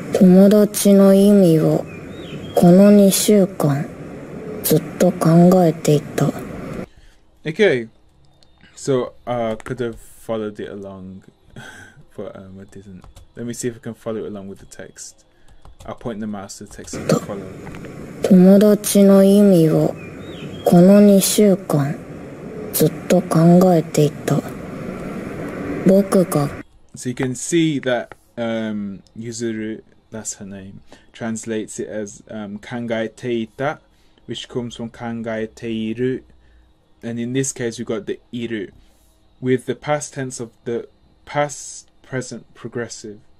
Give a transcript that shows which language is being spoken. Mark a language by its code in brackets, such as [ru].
[ja] 友達の意味をこの2週間ずっと考えていた。 [en] Okay, so I could have followed it along, but I didn't. Let me see if I can follow it along with the text. I'll point the mouse to the text and follow. [ja] 友達の意味をこの2週間ずっと考えていた。僕が。 [en] So you can see that Yuzuru, that's her name, translates it as 考えていた。 Which comes from 考えている.And in this case, we've got the iru. With the past tense of the past present progressive.